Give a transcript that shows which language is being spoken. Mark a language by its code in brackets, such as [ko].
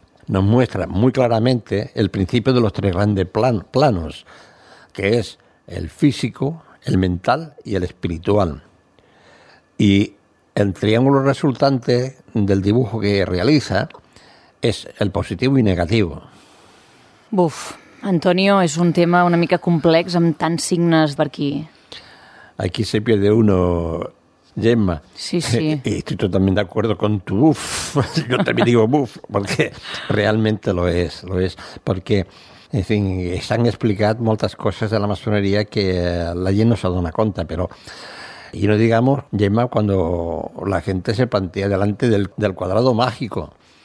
[es] nos muestra muy claramente el principio de los tres grandes planos, que es el físico, el mental y el espiritual. Y el triángulo resultante del dibujo que realiza es el positivo y negativo. [ca] Buf, Antonio, es un tema una mica complex amb tants signes per aquí. [es] Aquí se pierde uno, Gemma. Sí, sí. Y estoy totalmente de acuerdo con tu buf. Yo también digo buf, porque realmente lo es, porque... [ca] En fi, s'han explicat moltes coses de la maçoneria que la gent no s'adona compte, però... [es] Y no digamos, Gemma, cuando la gente se plantea delante del cuadrado mágico.